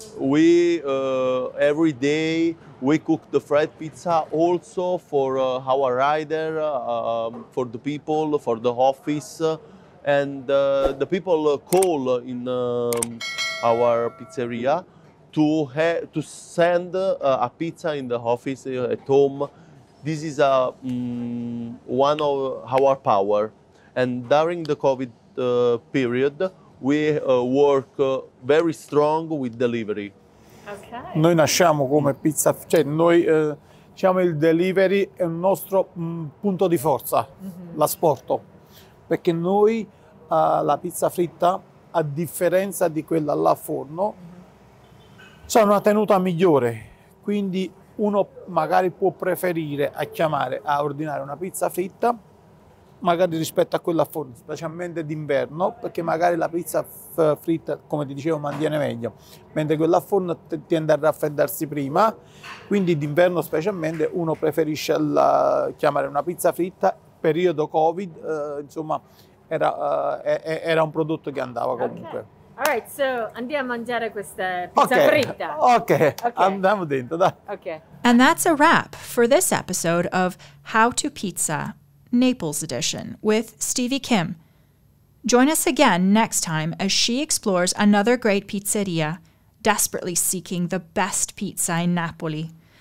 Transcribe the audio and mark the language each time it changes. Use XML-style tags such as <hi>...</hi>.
<en>We every day we cook the fried pizza also for our rider, for the people, for the office, and the people call in our pizzeria to send a pizza in the office at home. This is one of our power. And during the COVID period, we work very strong with delivery. Okay.</en> <it>Noi nasciamo come pizza, cioè noi diciamo il delivery è il nostro punto di forza, l'asporto. Perché noi la pizza fritta, a differenza di quella là a forno, c'è una tenuta migliore, quindi uno magari può preferire a ordinare una pizza fritta magari rispetto a quella a forno, specialmente d'inverno, perché magari la pizza fritta, come ti dicevo, mantiene meglio, mentre quella a forno tende a raffreddarsi prima, quindi d'inverno specialmente uno preferisce chiamare una pizza fritta. Periodo COVID, insomma, era un prodotto che andava comunque.</it> <en>Okay.</en> <it>All right, so andiamo a mangiare questa pizza fritta. Okay. Andiamo dentro, dai.</it> <en>Okay. And that's a wrap for this episode of How to Pizza, Naples Edition, with Stevie Kim. Join us again next time as she explores another great pizzeria, desperately seeking the best pizza in Napoli.</en>